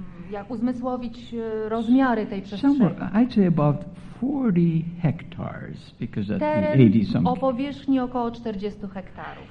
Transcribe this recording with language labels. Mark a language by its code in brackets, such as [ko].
[pl] jak uzmysłowić rozmiary tej przestrzeni. [en] Somewhere, I'd say about 40 hectares, because that's [pl] teren [en] 80 something. [pl] O powierzchni około 40 hektarów.